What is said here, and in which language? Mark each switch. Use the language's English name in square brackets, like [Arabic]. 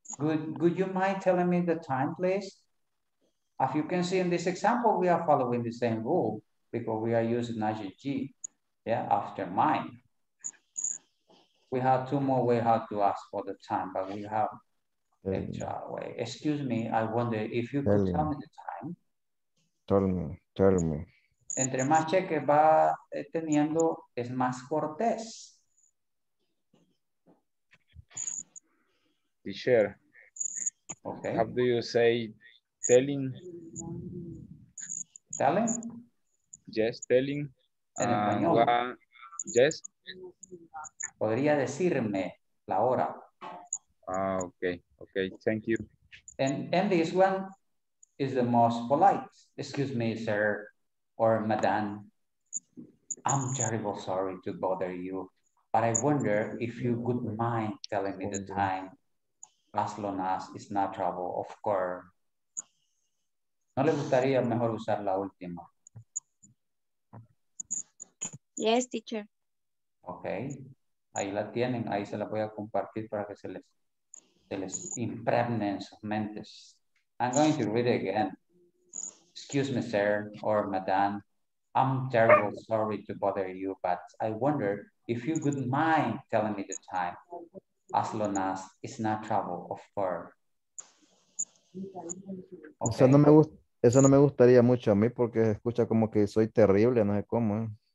[English] Would you mind telling me the time, please? As you can see in this example, we are following the same rule because we are using ing, yeah, after mine. We have two more ways how to ask for the time, but we have extra way. Excuse me, I wonder if you could tell me the time. Tell me. [Spanish] Entre más cheque va teniendo, es más cortés. [English] Teacher. Okay. How do you say telling? Telling? Yes, telling. [Spanish] En español. [English] Yes. [Spanish] Podría decirme la hora. [English] Ah, okay, thank you. And this one is the most polite. Excuse me, sir or madam. I'm terrible sorry to bother you, but I wonder if you would mind telling me the time. As long as it's not trouble, of course. [Spanish] ¿No le gustaría mejor usar la última? [English] Yes, teacher. [Spanish] Okay. Ahí la tienen. Ahí se la voy a compartir para que se les impregnen sus mentes. [English] I'm going to read it again. Excuse me, sir or madam. I'm terrible sorry to bother you, but I wonder if you would mind telling me the time. As long as it's not trouble, of course. Okay. [Spanish] Eso no me gustaría mucho a mí porque se escucha como que soy terrible, no sé cómo.